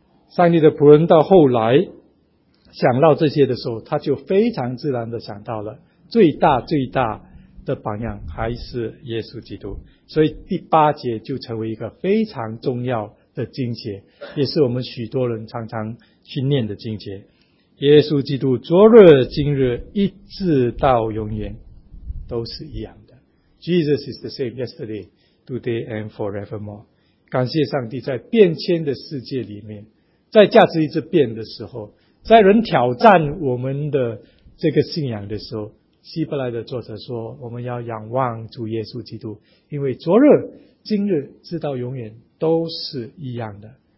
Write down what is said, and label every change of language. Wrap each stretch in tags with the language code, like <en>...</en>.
<zh>上帝的仆人到后来想到这些的时候，他就非常自然的想到了最大最大的榜样还是耶稣基督，所以第八节就成为一个非常重要的经节，也是我们许多人常常去念的经节。耶稣基督昨日今日一直到永远都是一样的。</zh> <en>Jesus is the same yesterday, today and forevermore。</en> <zh>感谢上帝，在变迁的世界里面，在价值一直变的时候，在人挑战我们的这个信仰的时候，希伯来的作者说我们要仰望主耶稣基督，因为昨日今日直到永远都是一样的。</zh>